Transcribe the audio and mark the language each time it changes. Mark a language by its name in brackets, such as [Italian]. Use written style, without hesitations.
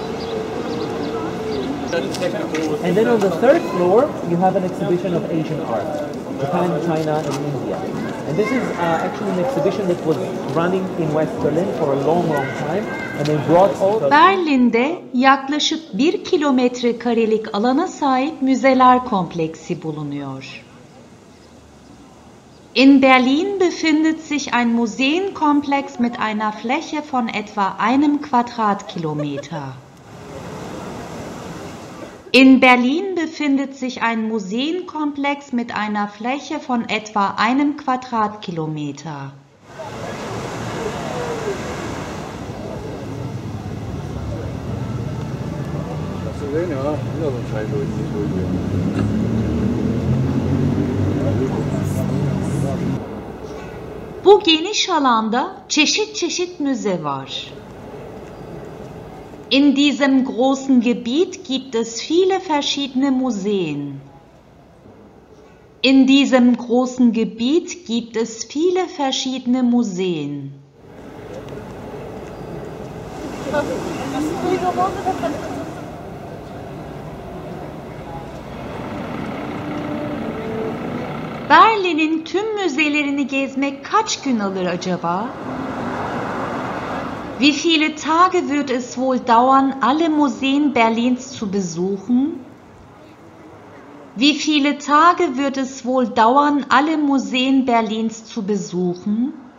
[English] And then on the third floor, you have an exhibition of Asian art, Japan, China, and India. And this is actually an exhibition that was running in West Berlin for a long, long time, and they brought all. [Turkish] Berlin'de yaklaşık 1 kilometre karelik alana sahip müzeler kompleksi bulunuyor. [German] In Berlin befindet sich ein Museenkomplex mit einer Fläche von etwa einem Quadratkilometer. In Berlin befindet sich ein Museenkomplex mit einer Fläche von etwa einem Quadratkilometer. [Turkish] Bu geniş alanda çeşit çeşit müze var. [German] In diesem großen Gebiet gibt es viele verschiedene Museen. In diesem großen Gebiet gibt es viele verschiedene Museen. [Turkish] Berlin'in tüm müzelerini gezmek kaç gün alır acaba? [German] Wie viele Tage wird es wohl dauern, alle Museen Berlins zu besuchen? Wie viele Tage wird es wohl dauern, alle Museen Berlins zu besuchen?